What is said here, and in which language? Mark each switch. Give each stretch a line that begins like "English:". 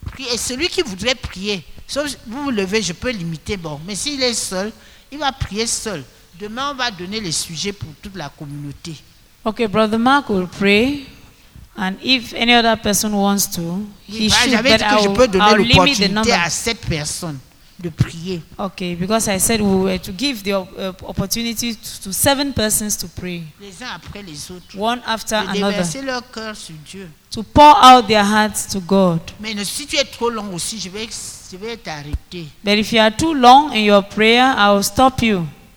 French: Et celui qui voudrait prier, sauf vous vous levez, je peux l'imiter. Bon, mais s'il est seul, il va prier seul. Demain, on va donner les sujets pour toute la communauté.
English: Okay, Brother Mark will pray. And if any other person wants to, he should, but I'll limit the number.
French: À cette personne de prier.
English: Okay, because I said we were to give the opportunity to seven persons to pray.
French: Les uns après les autres.
English: One after another.
French: Déverser leur cœur sur Dieu.
English: To pour out their hearts to God.
French: Mais si tu es trop long aussi, je vais t'arrêter.
English: But if you are too long in your prayer, I will stop you.